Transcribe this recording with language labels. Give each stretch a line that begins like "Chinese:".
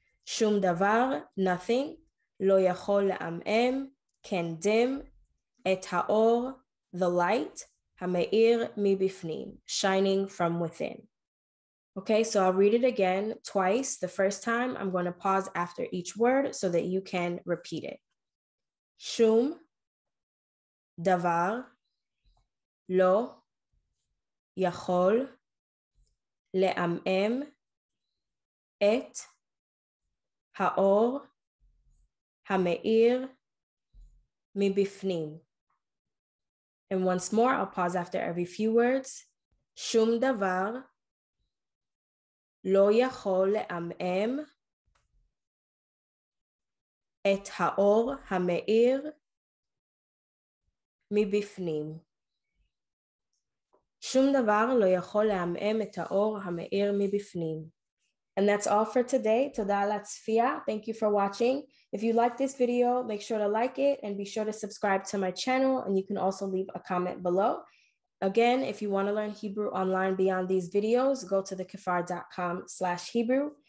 Hebrew: Shum davar,
English: nothing,
Hebrew: lo yachol le'am'em,
English: can dim,
Hebrew: et ha'or,
English: the light,
Hebrew: ha'me'ir mibifnim,
English: shining from within. Okay, so I'll read it again twice. The first time, I'm going to pause after each word so that you can repeat it.
Hebrew: Shum davar, lo יכול לעמעם את האור המאיר מבפנים.
English: And once more, I'll pause after every few words.
Hebrew: שום דבר לא יכול לעמעם את האור המאיר מבפנים. שום דבר לא יכול לעמעם את האור המאיר מבפנים.
English: And that's all for today.
Hebrew: תודה על הצפייה.
English: Thank you for watching. If you like this video, make sure to like it and be sure to subscribe to my channel. And you can also leave a comment below. Again, if you want to learn Hebrew online beyond these videos, go to thekefar.com/Hebrew.